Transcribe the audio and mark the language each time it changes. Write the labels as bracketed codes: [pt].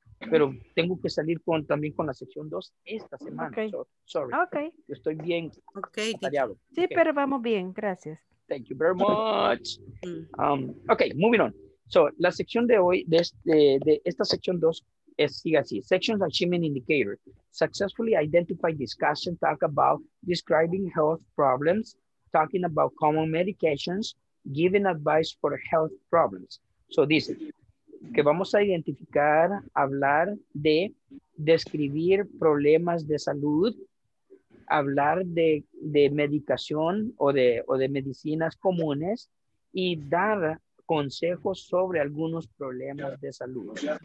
[es] Pero tengo que salir también con la sección 2 esta semana. [en] Okay. Sorry. Ok. [es] Estoy bien. [en] Ok. [es] Atareado. Sí, [en] okay. [es] Pero vamos bien. Gracias. [en] Thank you very much. Ok, moving on. So, [es] la sección de hoy, de esta sección 2, sigue así. [en] Sections Achievement Indicator. Successfully identify, discuss, and talk about describing health problems, talking about common medications, giving advice for health problems. [es] So, this is que vamos a identificar, hablar de describir problemas de salud, hablar de medicación o de medicinas comunes y dar consejos sobre algunos problemas de salud.